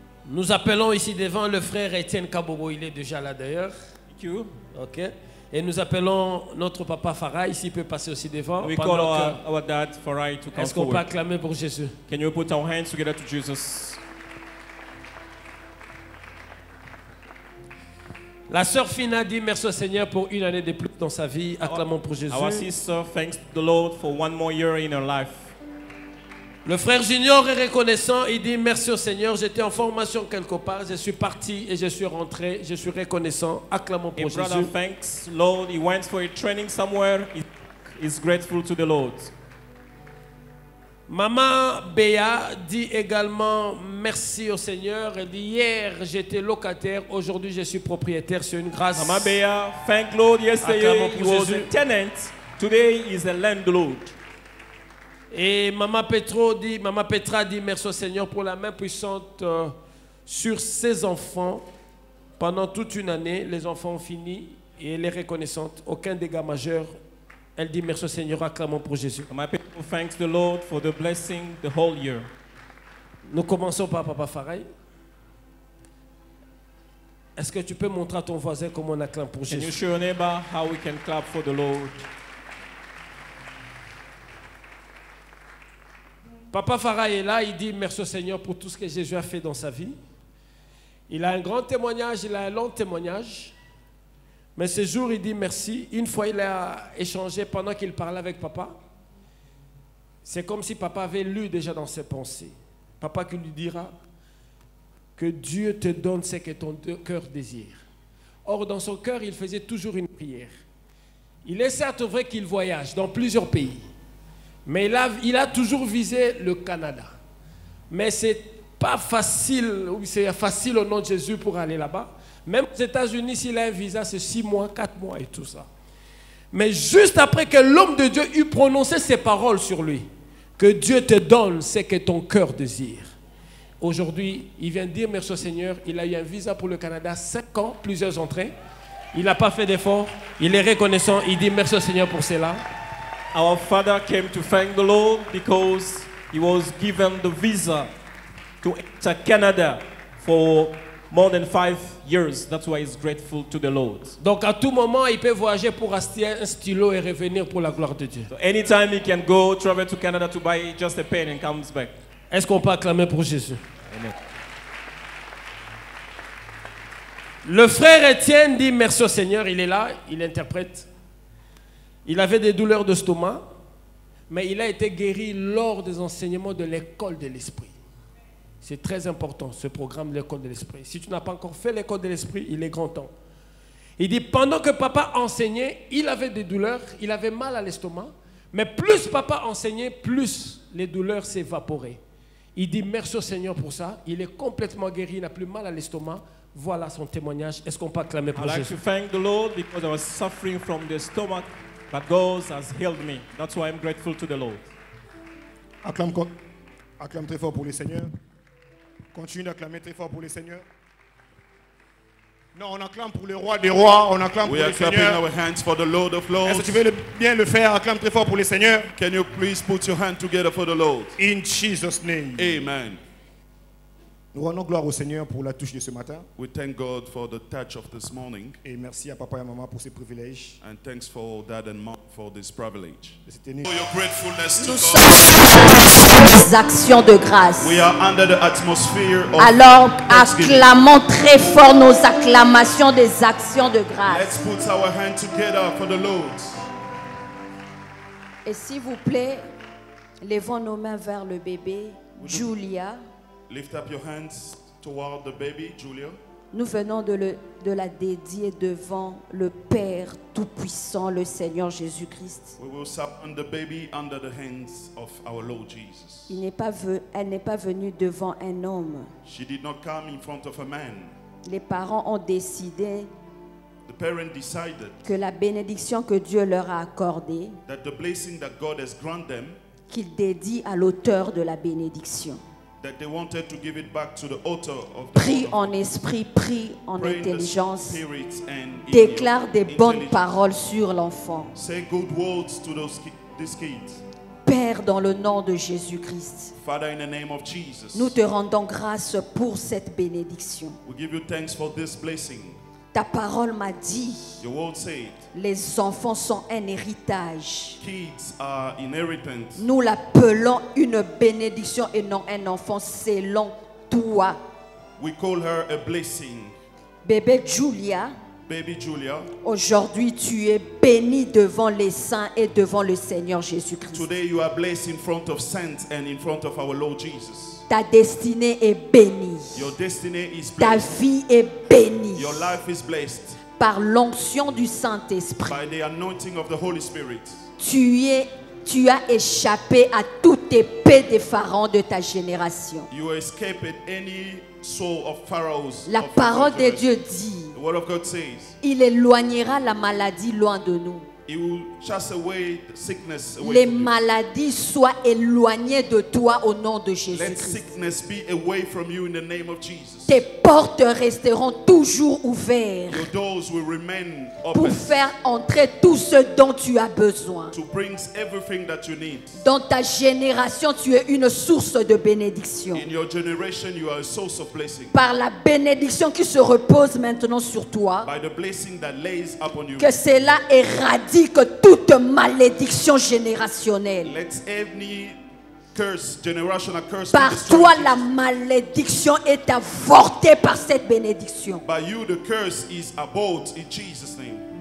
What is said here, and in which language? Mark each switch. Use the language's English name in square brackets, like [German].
[French] Nous appelons ici devant le frère Étienne Kabobo, il est déjà là d'ailleurs. [English] Thank you. Ok. [French] Et nous appelons notre papa Farah, ici il peut passer aussi devant. [English] We call our dad Farah to come forward. [French] Est-ce qu'on peut acclamer pour Jésus? [English] Can you put our hands together to Jesus? [French] La sœur Fina dit merci au Seigneur pour une année de plus dans sa vie. Acclamons pour Jésus. [English] Our sister thanks the Lord for one more year in her life. [French] Le frère Junior est reconnaissant, il dit merci au Seigneur, j'étais en formation quelque part, je suis parti et je suis rentré, je suis reconnaissant, acclamons pour Jésus. [English] Brother, thanks Lord, he went for a training somewhere, he's grateful to the Lord. [French] Maman Béa dit également merci au Seigneur, elle dit hier j'étais locataire, aujourd'hui je suis propriétaire, c'est une grâce. [English] Maman Béa, thank Lord, yesterday he was a tenant, today he's a landlord. [French] Et Maman Petro dit, Maman Petra dit merci au Seigneur pour la main puissante sur ses enfants. Pendant toute une année, les enfants ont fini et elle est reconnaissante. Aucun dégât majeur. Elle dit merci au Seigneur, acclamons pour Jésus. [English] Maman Petro thanks the Lord for the blessing the whole year. [French] Nous commençons par Papa Farah. Est-ce que tu peux montrer à ton voisin comment on acclame pour Jésus? [English] Can you show your neighbor how we can clap for the Lord? [French] Papa Farah est là, il dit merci au Seigneur pour tout ce que Jésus a fait dans sa vie. Il a un grand témoignage, il a un long témoignage. Mais ce jour, il dit merci. Une fois, il a échangé pendant qu'il parlait avec papa. C'est comme si papa avait lu déjà dans ses pensées. Papa qui lui dira que Dieu te donne ce que ton cœur désire. Or, dans son cœur, il faisait toujours une prière. Il est certes vrai qu'il voyage dans plusieurs pays. Mais il a toujours visé le Canada. Mais ce n'est pas facile, ou c'est facile au nom de Jésus pour aller là-bas. Même aux États-Unis, s'il a un visa, c'est 6 mois, 4 mois et tout ça. Mais juste après que l'homme de Dieu eut prononcé ces paroles sur lui, que Dieu te donne ce que ton cœur désire. Aujourd'hui, il vient dire merci au Seigneur, il a eu un visa pour le Canada, 5 ans, plusieurs entrées. Il n'a pas fait d'effort, il est reconnaissant, il dit merci au Seigneur pour cela. [English] Our father came to thank the Lord because he was given the visa to enter Canada for more than 5 years. That's why he's grateful to the Lord. [French] Donc à tout moment, il peut voyager pour acheter un stylo et revenir pour la gloire de Dieu. [English] So anytime he can go travel to Canada to buy just a pen and comes back. [French] Est-ce qu'on peut acclamer pour Jésus? Amen. Le frère Étienne dit merci au Seigneur, il est là, il interprète. Il avait des douleurs d'estomac, mais il a été guéri lors des enseignements de l'école de l'esprit. C'est très important, ce programme de l'école de l'esprit. Si tu n'as pas encore fait l'école de l'esprit, il est grand temps. Il dit, pendant que papa enseignait, il avait des douleurs, il avait mal à l'estomac, mais plus papa enseignait, plus les douleurs s'évaporaient. Il dit, merci au Seigneur pour ça. Il est complètement guéri, il n'a plus mal à l'estomac. Voilà son témoignage. Est-ce qu'on peut acclamer pour Jésus? [English] I'd like to thank the Lord because I was suffering from the stomach, but God has healed me. That's why I'm grateful to the Lord. [French] Acclame très fort pour le Seigneur. Continue d'acclamer très fort pour le Seigneur. Non, on acclame pour le roi des rois, on acclame pour le Seigneur. [English] We are clapping our hands for the Lord of Lords. [French] Est-ce que tu veux bien le faire? Acclame très fort pour le Seigneur. [English] Can you please put your hand together for the Lord? In Jesus' name. Amen. [French] Nous rendons gloire au Seigneur pour la touche de ce matin. [English] We thank God for the touch of this morning. [French] Et merci à papa et à maman pour ce privilège. [English] And thanks for dad and mom for this privilege. For your gratefulness to [French] nous Nous sommes sous l'atmosphère des actions de grâce. [English] We are under the atmosphere of [French] Alors, acclamons très fort nos acclamations des actions de grâce. [English] Let's put our hands together for the Lord. [French] Et s'il vous plaît, levons nos mains vers le bébé, Julia. [English] Lift up your hands toward the baby, Julia. [French] Nous venons de la dédier devant le Père Tout-Puissant, le Seigneur Jésus-Christ. [English] We will submit the baby under the hands of our Lord Jesus. [French] Elle n'est pas venue devant un homme. [English] She did not come in front of a man. [French] Les parents ont décidé. [English] The parents decided [French] que la bénédiction que Dieu leur a accordée. [English] That the blessing that God has granted them. [French] Qu'ils dédient à l'auteur de la bénédiction. [English] That they wanted to give it back to the author of the [French] Prie en esprit, prie en intelligence. [English] Spirit and [French] Déclare des bonnes paroles sur l'enfant. [English] Say good words to this kid. [French] Père, dans le nom de Jésus-Christ, [English] Father, in the name of Jesus, [French] nous te rendons grâce pour cette bénédiction. [English] We give you thanks for this blessing. [French] Ta parole m'a dit, [English] Your word said, [French] les enfants sont un héritage. [English] Kids are inheritance. [French] Nous l'appelons une bénédiction et non un enfant selon toi. [English] We call her a blessing. [French] Bébé Julia, [English] Baby Julia, [French] aujourd'hui tu es béni devant les saints et devant le Seigneur Jésus-Christ. [English] Today you are blessed in front of saints and in front of our Lord Jesus. [French] Ta destinée est bénie. [English] Your destiny is blessed. [French] Ta vie est bénie. [English] Your life is blessed. [French] Par l'onction du Saint-Esprit. [English] By the anointing of the Holy Spirit. [French] Tu as échappé à toute épée des pharaons de ta génération. [English] You escaped any soul of pharaohs. [French] La parole de Dieu dit. [English] The word of God says. [French] Il éloignera la maladie loin de nous. [English] It will chase away the sickness away [French] Les maladies soient éloignées de toi au nom de Jésus-Christ. [English] Let sickness be away from you in the name of Jesus. [French] Tes portes resteront toujours ouvertes. [English] Your doors will remain open. [French] Pour faire entrer tout ce dont tu as besoin. [English] To bring everything that you need. [French] Dans ta génération, tu es une source de bénédiction. [English] In your generation, you are a source of blessing. [French] Par la bénédiction qui se repose maintenant sur toi. [English] By the blessing that lays upon you. [French] Que cela éradique. Dit que toute malédiction générationnelle [English] Let any curse, generational curse [French] par toi la malédiction est avortée par cette bénédiction [English] By you, the curse is about in Jesus name.